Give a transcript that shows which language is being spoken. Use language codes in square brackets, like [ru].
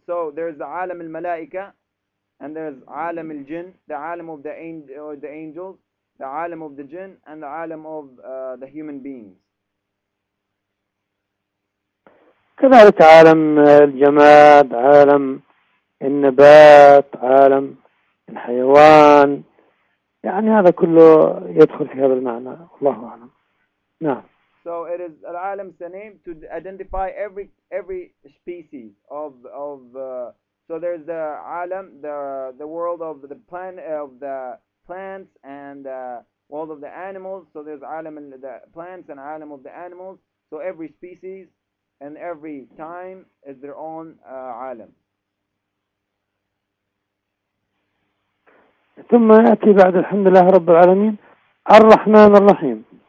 [en] So there's the alam al malaika, and there's alam al jinn, the alam of the angels, the alam of the jinn, and the alam of the human beings. [ar] كذلك عالم الجماد, عالم النبات, عالم الحيوان. يعني هذا كله يدخل في هذا المعنى, الله أعلم. نعم. [en] So it is العالم سنيم to identify every species of so there's the عالم, the world of the plant, of the plants, and the world of the animals. So there's عالم the plants and عالم of the animals. So every species and every time is their own عالم. [ar] ثم يأتي بعد الحمد لله رب العالمين الرحمن الرحيم.